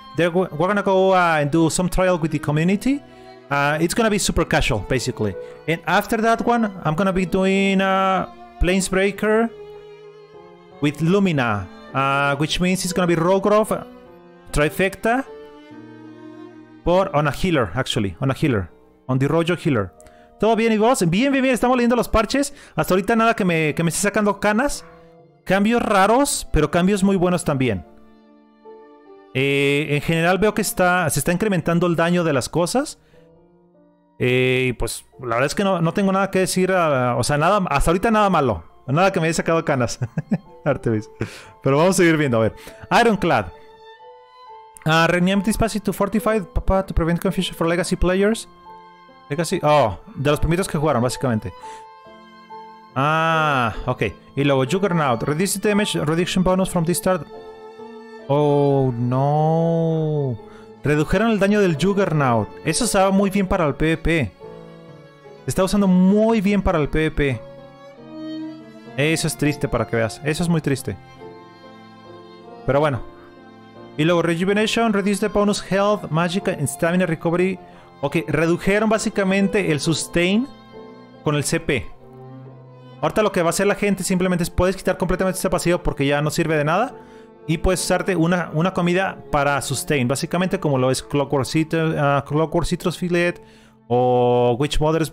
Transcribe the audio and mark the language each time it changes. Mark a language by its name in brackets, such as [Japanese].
[English] We're gonna go and do some trial with the community. It's gonna be super casual, basically. And after that one, I'm gonna be doing Planesbreaker with Lumina, which means it's gonna be Rogrov Trifecta, but on a healer, actually. On a healer. On the Rojo healer. [Spanish] ¿Todo bien y vos? Bien, bien, bien. Estamos leyendo los parches. Hasta ahorita nada que me esté sacando canas. Cambios raros, pero cambios muy buenos también. En general veo que se está incrementando el daño de las cosas. Y pues la verdad es que no tengo nada que decir. Nada, hasta ahorita nada malo. Nada que me haya sacado canas. Artemis. Pero vamos a seguir viendo. A ver. Ironclad. [English] Rename this passage to Fortified, papá, to prevent confusion for legacy players. [Spanish] De los primeros que jugaron, básicamente. Ok. Y luego, Juggernaut. [English] Reduce the damage reduction bonus from this start. [Spanish] Redujeron el daño del Juggernaut. Eso estaba muy bien para el PvP. Está usando muy bien para el PvP. Eso es triste, para que veas. Eso es muy triste. Pero bueno. Y luego, Rejuvenation. [English] Reduce the bonus health, magic and stamina recovery. [Spanish] Ok, redujeron básicamente el sustain con el CP. Ahorita lo que va a hacer la gente simplemente es, puedes quitar completamente este pasivo porque ya no sirve de nada. Y puedes usarte una comida para sustain. Básicamente como lo es Clockwork Citrus Fillet o Witch Mother's...